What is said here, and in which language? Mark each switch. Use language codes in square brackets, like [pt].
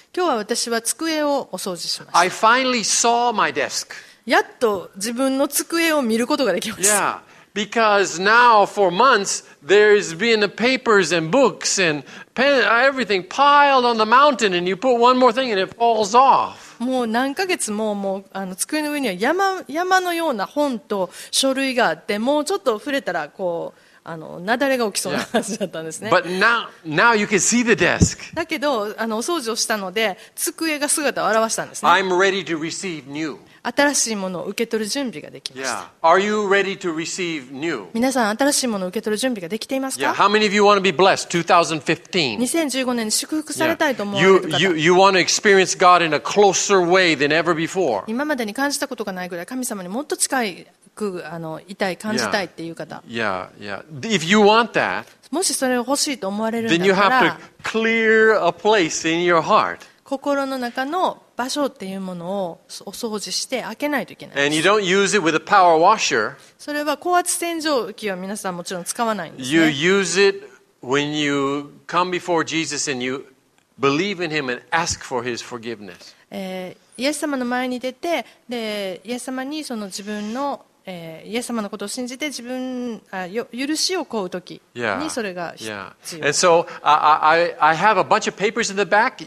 [ja] 今日は私は机をお掃除しました。 [en] I finally saw my desk. [ja] やっと自分の机を見ることができました。 [en] Because now for months there's been papers and books and pens, everything piled on the mountain, and you put one more thing and it falls off. [ja] もう何ヶ月ももう机の上には山のような本と書類があって、もうちょっと触れたらこう雪崩が起きそうな感じだったんですね。 [en] But now you can see the desk. [ja] だけどお掃除をしたので机が姿を現したんですね。 [en] I'm ready to receive new. [ja] 新しいものを受け取る準備ができました。 [en] Yeah. Are you ready to receive new? [ja] 皆さん新しいものを受け取る準備ができていますか [en] ？Yeah. How many of you want to be blessed [ja] 2015年に祝福されたいと思われる方。Yeah. [en] You want to experience God in a closer way than ever before. [ja] 今までに感じたことがないぐらい神様にもっと近くいたい、感じたいっていう方。 [en] Yeah. Yeah. Yeah. If you want that, [ja] もしそれを欲しいと思われるんだ [en] ったら、then you have to clear a place in your heart. [ja] 心の中の場所っていうものをお掃除して開けないといけないです。 [en] And you don't use it with a power washer. [ja] それは高圧洗浄機は皆さんもちろん使わないんですね。 [en] You use it when you come before Jesus and you believe in Him and ask for His forgiveness. [ja] イエス様の前に出て、でイエス様にその自分のイエス様のことを信じて自分許しを請うときにそれが必要。 [en] Yeah. And so I have a bunch of papers in the back.